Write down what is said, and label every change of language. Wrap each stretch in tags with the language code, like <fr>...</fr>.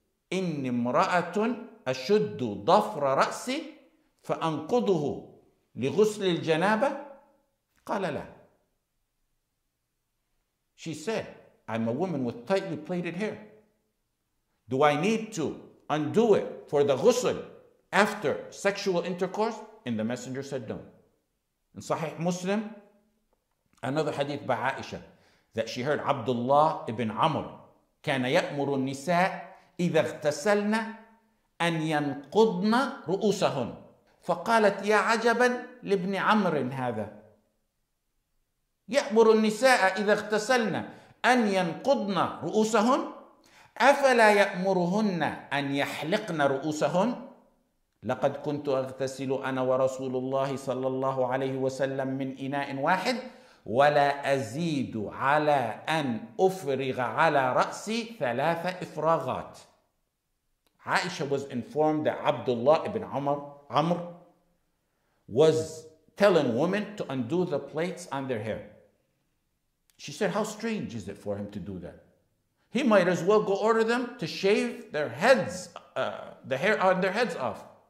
<ar>إِنِّ مْرَأَةٌ أَشُدُّ ضَفْرَ رَأْسِ فَأَنْقُدُهُ لِغُسْلِ الْجَنَابَةِ قَالَ لَا.</ar> <en>She said, I'm a woman with tightly plaited hair. Do I need to undo it for the ghusl after sexual intercourse? And the Messenger said no. In Sahih Muslim, another hadith by Aisha, that she heard Abdullah ibn Amr,</en> <ar>كَانَ يَأْمُرُ النِّسَاءِ إِذَا اغْتَسَلْنَا أَنْ يَنْقُضْنَا رُؤُوسَهُمْ فَقَالَتْ يَا عَجَبًا لِبْنِ عَمْرٍ هَذَا يَأْمُرُ النِّسَاءَ إِذَا اغْتَسَلْنَا أَنْ يَنْقُضْنَا رُؤُوسَهُمْ أَفَلَا يَأْمُرُهُنَّ أَنْ يَحْلِقْنَا رُؤُوسَهُمْ لَقَدْ كُنْتُ أَغْتَسِلُ أَنَا وَرَسُولُ اللَّهِ صَلَّى اللَّهُ عَلَيْهِ وَسَلَّمْ مِنْ إِنَاءٍ وَاحِدٍ ولا أزيد على أن أفرغ على رأسي ثلاث إفراغات.</ar> <en>عائشة was informed that Abdullah ibn Amr was telling women to undo the plaits on their hair. She said, how strange is it for him to do that? He might as well go order them to shave their heads, the hair on their heads off.</en>